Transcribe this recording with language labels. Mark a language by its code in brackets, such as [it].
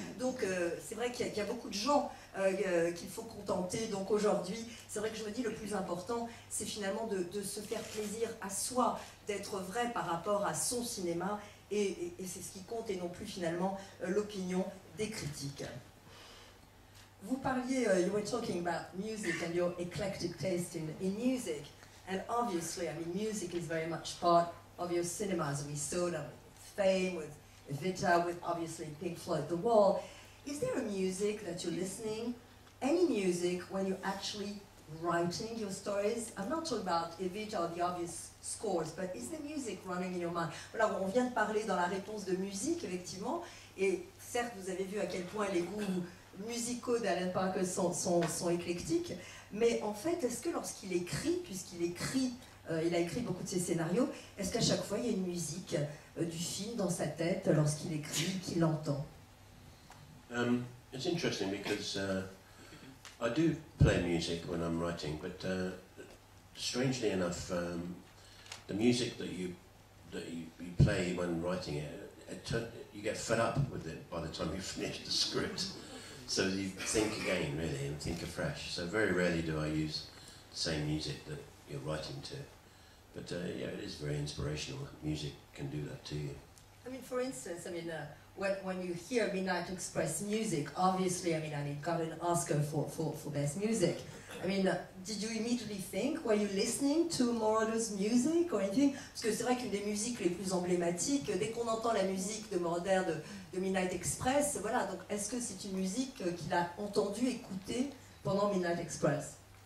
[fr] Donc c'est vrai qu'il y a beaucoup de gens qu'il faut contenter. Donc aujourd'hui, c'est vrai que je me dis le plus important, c'est finalement de se faire plaisir à soi, d'être vrai par rapport à son cinéma. Et c'est ce qui compte et non plus finalement l'opinion des critiques. Vous parliez, [en] you were talking about music and your eclectic taste in music. And obviously, I mean, music is very much part of your cinema, as we saw them with Fame, with Evita, with obviously Pink Floyd, The Wall. Is there a music that you're listening, any music, when you're actually writing your stories? I'm not talking about Evita or the obvious scores, but is the music running in your mind? [fr] Voilà, on vient de parler dans la réponse de musique, effectivement, et certes, vous avez vu à quel point les goûts musicaux d'Alan Parker sont éclectiques, mais en fait, est-ce que lorsqu'il écrit, puisqu'il écrit, il a écrit beaucoup de ses scénarios, est-ce qu'à chaque fois il y a une musique du film dans sa tête lorsqu'il écrit, qu'il entend? [en] It's interesting because I do play music when I'm writing, but strangely enough, the music that you play when writing it, you get fed up with it by the time you finish the script. So you think again, really, and think afresh. So very rarely do I use the same music that you're writing to. But yeah, it is very inspirational. Music can do that to you. I mean, for instance, I mean, when you hear Midnight Express music, obviously, I mean, got an Oscar for best music. I mean, did you immediately think, were you listening to Moroder's music or anything? [fr] Parce que c'est vrai qu'une des musiques les plus emblématiques, dès qu'on entend la musique de Moroder de Midnight Express, voilà, donc est-ce que c'est une musique qu'il a entendue, écoutée pendant Midnight Express?